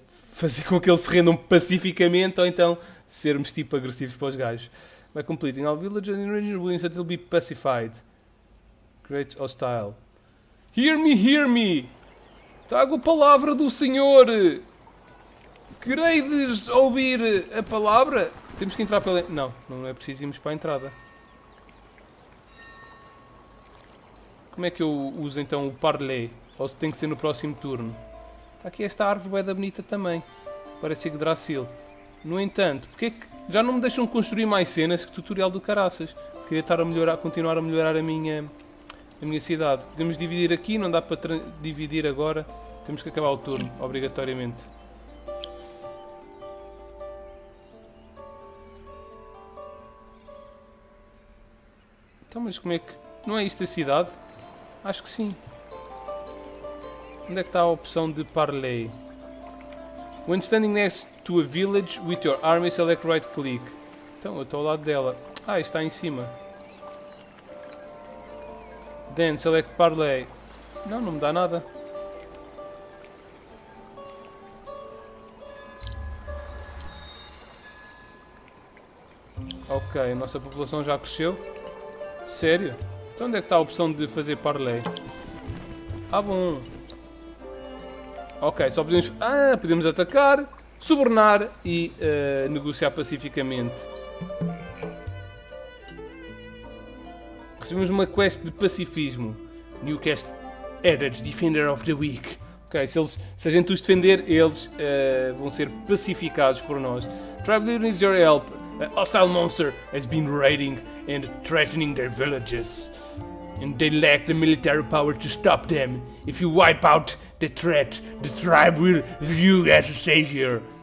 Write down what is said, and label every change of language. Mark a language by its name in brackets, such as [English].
[Portuguese] fazer com que eles se rendam pacificamente ou então sermos tipo agressivos para os gajos. [English] By completing all villages and ruins until they'll be pacified. Great hostile. Hear me, hear me! [Portuguese] Trago a palavra do Senhor! Quereis ouvir a palavra? Temos que entrar pela... Não, não é preciso irmos para a entrada. Como é que eu uso então o parler? Ou tem que ser no próximo turno? Está aqui esta árvore bué da bonita também. Parece Yggdrasil. No entanto, porque é que já não me deixam construir mais cenas que tutorial do caraças? Queria estar a melhorar, continuar a melhorar a minha cidade. Podemos dividir aqui, não dá para dividir agora. Temos que acabar o turno, obrigatoriamente. Então, mas como é que... Não é isto a cidade? Acho que sim. Onde é que está a opção de parley? [English] When standing next to a village with your army, select right click. [Portuguese] Então, eu estou ao lado dela. Ah, está em cima. [English] Then, select parley. [Portuguese] Não, não me dá nada. Ok, a nossa população já cresceu. Sério? Então, onde é que está a opção de fazer parley? Ah, bom... Ok, só podemos... Ah, podemos atacar, subornar e negociar pacificamente. Recebemos uma quest de pacifismo. [English] New quest added, Defender of the Weak. [Portuguese] Ok, se a gente os defender, eles vão ser pacificados por nós. [English] Tribe leader needs your help. A hostile monster has been raiding and threatening their villages. And they lack the military power to stop them. If you wipe out the threat, the tribe will view as a savior.